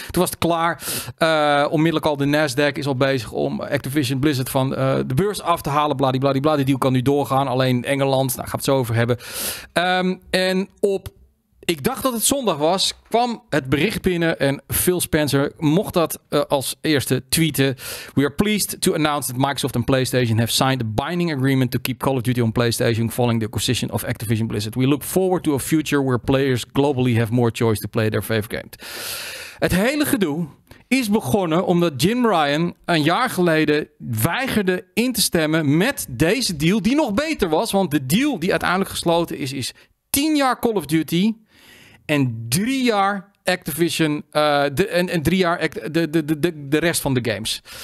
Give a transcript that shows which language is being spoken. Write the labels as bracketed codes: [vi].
[nl] Toen was het klaar. Onmiddellijk al de Nasdaq is al bezig om Activision Blizzard van de beurs af te halen. Bladibladibla. Die deal kan nu doorgaan. Alleen Engeland, daar gaat het zo over hebben. En op, ik dacht dat het zondag was, kwam het bericht binnen en Phil Spencer mocht dat als eerste tweeten. [en] We are pleased to announce that Microsoft and PlayStation have signed a binding agreement to keep Call of Duty on PlayStation following the acquisition of Activision Blizzard. We look forward to a future where players globally have more choice to play their favorite game. [nl] Het hele gedoe is begonnen omdat Jim Ryan een jaar geleden weigerde in te stemmen met deze deal die nog beter was. Want de deal die uiteindelijk gesloten is, is 10 jaar Call of Duty en 3 jaar Activision en 3 jaar de rest van de games.